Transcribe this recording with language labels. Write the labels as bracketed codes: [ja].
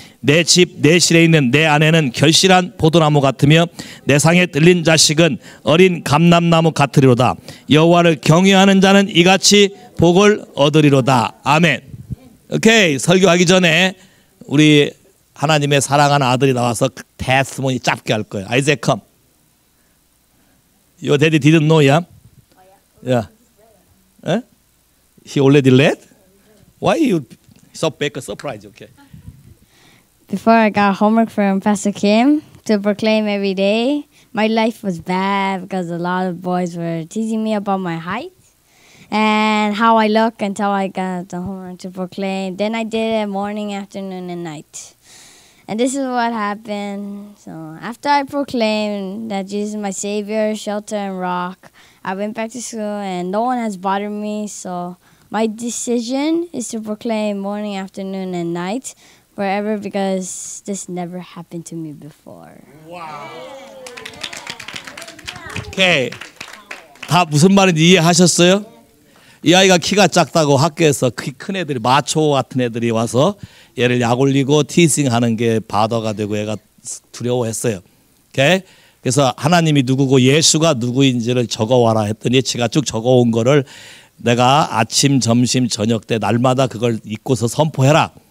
[ko] 내 집 내실에 있는 내 아내는 결실한 포도나무 같으며 내 상에 들린 자식은 어린 감람나무 같으리로다. 여호와를 경외하는 자는 이같이 복을 얻으리로다. 아멘. 오케이. 설교하기 전에 우리 하나님의 사랑하는 아들이 나와서 테스트모니 짧게 할 거예요. 아이제 컴. [en] Your daddy didn't know ya? Yeah. He already led? Why you so big a surprise? Okay. Before I got homework from Pastor Kim to proclaim every day, my life was bad because a lot of boys were teasing me about my height and how I look until I got the homework to proclaim. Then I did it morning, afternoon, and night. And this is what happened. So after I proclaimed that Jesus is my savior, shelter, and rock, I went back to school and no one has bothered me. So my decision is to proclaim morning, afternoon, and night. Forever, because this never happened to me before. Wow. Okay. [ko] 다 무슨 말인지 이해하셨어요? 이 아이가 키가 작다고 학교에서 키 큰 애들이 마초 같은 애들이 와서 얘를 약올리고 티싱하는 게 바더가 되고 얘가 두려워했어요. [en] Okay. [ko] 그래서 하나님이 누구고 예수가 누구인지를 적어와라 했더니 지가 쭉 적어온 거를 내가 아침, 점심, 저녁 때 날마다 그걸 입고서 선포해라.